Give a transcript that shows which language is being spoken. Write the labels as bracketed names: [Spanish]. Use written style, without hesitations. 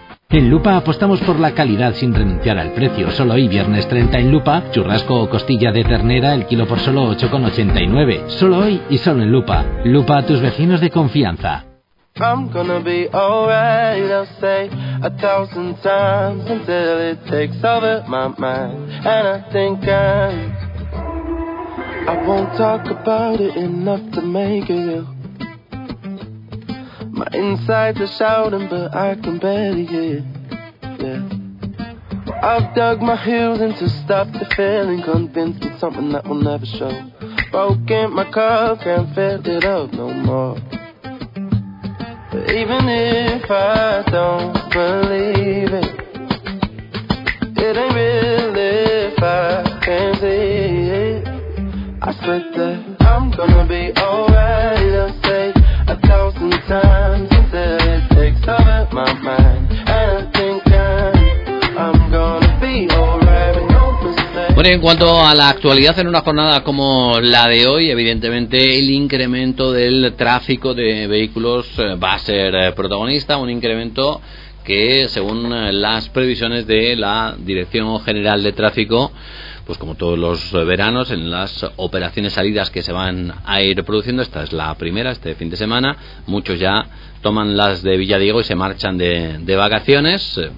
[Spanish] En Lupa apostamos por la calidad sin renunciar al precio. Solo hoy, viernes 30 en Lupa, churrasco o costilla de ternera, el kilo por solo 8,89. Solo hoy y solo en Lupa. Lupa, a tus vecinos de confianza. [English] I'm gonna be alright, I'll say a thousand times until it takes over my mind. And I think I won't talk about it enough to make it real. My insides are shouting, but I can barely hear. Yeah. I've dug my heels in to stop the feeling, convinced it's something that will never show. Broken my car, can't fill it up no more. Even if I don't believe it, it ain't real if I can't see it. I swear that I'm gonna be alright, I'll say a thousand times until it takes over my mind. And I think I'm gonna be alright. [Spanish] Bueno, en cuanto a la actualidad, en una jornada como la de hoy, evidentemente el incremento del tráfico de vehículos va a ser protagonista, un incremento que, según las previsiones de la Dirección General de Tráfico, pues como todos los veranos, en las operaciones salidas que se van a ir produciendo, esta es la primera, este fin de semana, muchos ya toman las de Villadiego y se marchan de vacaciones.